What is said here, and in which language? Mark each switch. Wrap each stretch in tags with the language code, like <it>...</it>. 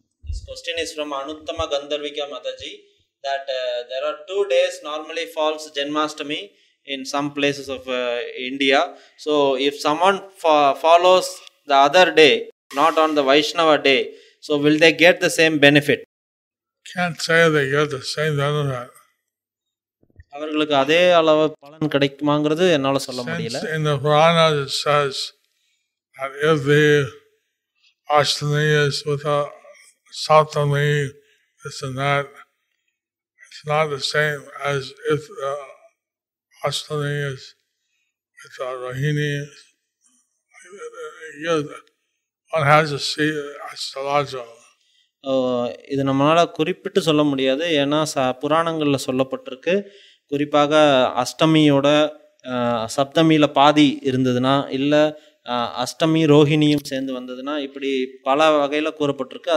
<en>This question is from Anuttama Gandharvika Mataji that there are 2 days normally falls Janmastami in some places of India. So if someone follows the other day, not on the Vaishnava day, so will they get the same benefit? Can't say they get the same benefit.</en> <ta>அவர்களுக்கு அதே அளவு பலன் கிடைக்குமாங்கிறது என்னால் சொல்ல முடியல.</ta> <en>Since in the Purana it says that if the Ashtami is with a Saptami, this and that, it's not the same as if the Ashtami is with a Rohini. One has to see astrological.</en> <ta>இது நம்மளால் குறிப்பிட்டு சொல்ல முடியாது. ஏன்னா புராணங்களில் சொல்லப்பட்டிருக்கு, குறிப்பாக அஷ்டமியோட சப்தமியில் பாதி இருந்ததுன்னா, இல்லை அஷ்டமி ரோஹிணியும் சேர்ந்து வந்ததுன்னா, இப்படி பல வகையில் கூறப்பட்டிருக்கு.</ta>